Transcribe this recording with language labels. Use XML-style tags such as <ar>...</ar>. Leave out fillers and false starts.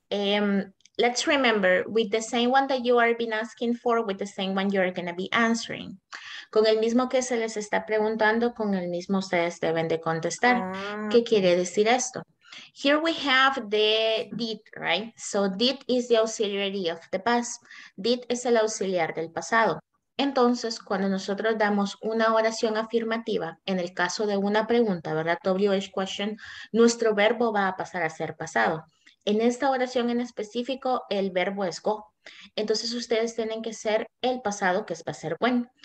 <en>Let's remember with the same one that you are been asking for, with the same one you are going to be answering.</en> <es>Con el mismo que se les está preguntando, con el mismo ustedes deben de contestar. ¿Qué quiere decir esto?</es> <en>Here we have the did, right? So did is the auxiliary of the past.</en> <es>Did es el auxiliar del pasado. Entonces, cuando nosotros damos una oración afirmativa, en el caso de una pregunta, ¿verdad? WH question, nuestro verbo va a pasar a ser pasado. En esta oración en específico, el verbo es go. Entonces, ustedes tienen que ser el pasado, que es va a ser when.</es>